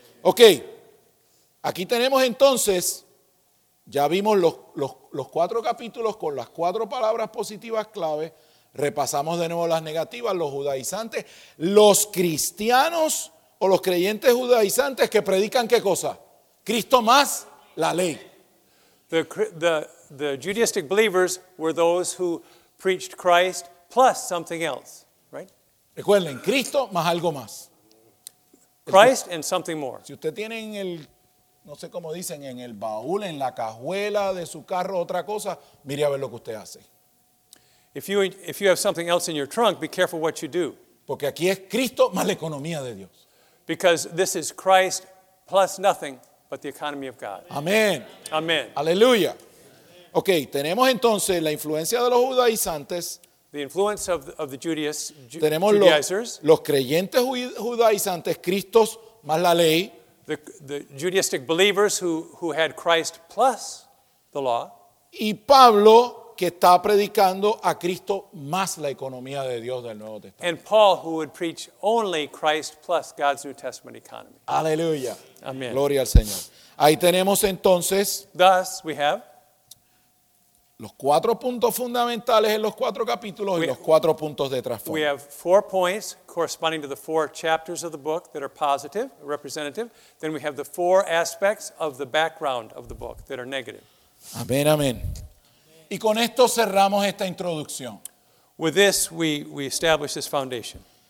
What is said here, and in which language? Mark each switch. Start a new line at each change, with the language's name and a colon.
Spanish: Okay, aquí tenemos entonces. Ya vimos los cuatro capítulos con las cuatro palabras positivas clave. Repasamos de nuevo las negativas, los judaizantes. Los cristianos o los creyentes judaizantes que predican ¿qué cosa? Cristo más la ley.
English: The Judaistic believers were those who preached Christ plus something else, right?
Spanish: Recuerden, Cristo más algo más.
English: Christ and something more.
Spanish: Si usted tiene en el... no sé cómo dicen, en el baúl, en la cajuela de su carro, otra cosa, mire a ver lo que usted hace.
English: If you have something else in your trunk, be careful what you do.
Spanish: Porque aquí es Cristo más la economía de Dios.
English: Because this is Christ plus nothing but the economy of God.
Spanish: Amén. Amén. Aleluya. Ok, tenemos entonces la influencia de los judaizantes.
English: The influence of the Judaizers.
Spanish: Tenemos los creyentes judaizantes, Cristo más la ley.
English: The Judaistic believers who had Christ plus the law.
Spanish: Y Pablo, que está predicando a Cristo más la economía de Dios del Nuevo Testamento.
English: And Paul, who would preach only Christ plus God's New Testament economy.
Spanish: Aleluya.
English: Amen.
Spanish: Gloria al Señor. Ahí tenemos entonces.
English: Thus, we have.
Spanish: Los cuatro puntos fundamentales en los cuatro capítulos y los cuatro puntos de trasfondo.
English: We have four points corresponding to the four chapters of the book that are positive, representative. Then we have the four aspects of the background of the book that are negative.
Spanish: Amén, amén. Y con esto cerramos esta introducción.
English: With this, we establish this foundation.